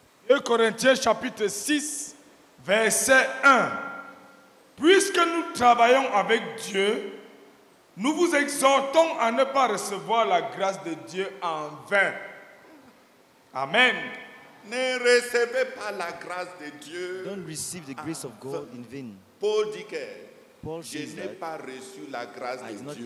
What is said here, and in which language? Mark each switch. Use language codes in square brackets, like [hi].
[fr] 2 Corinthiens chapitre 6, verset 1. Puisque nous travaillons avec Dieu, nous vous exhortons à ne pas recevoir la grâce de Dieu en vain. Amen. Ne recevez pas la grâce de Dieu. [en] Don't receive the grace of God in vain. [fr] Paul dit que je n'ai pas reçu la grâce de Dieu.